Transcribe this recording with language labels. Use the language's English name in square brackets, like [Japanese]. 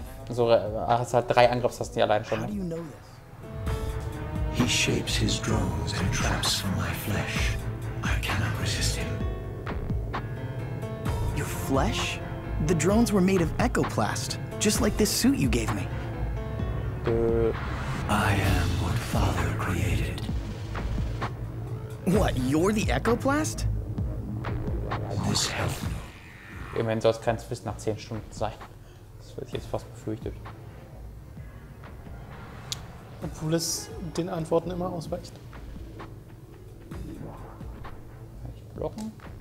[German] So, ach, es hat drei Angriffstasten, die allein schon. [English] He shapes his drones and traps for my flesh. I cannot resist him. Your flesh? The drones were made of echoplast, just like this suit you gave me. I am what Father created. What, you're the echoplast? This helped me. [German] Immerhin soll es kein Zwist nach 10 Stunden sein. Das wird jetzt fast befürchtet. Obwohl es den Antworten immer ausweicht. Kann ich blocken?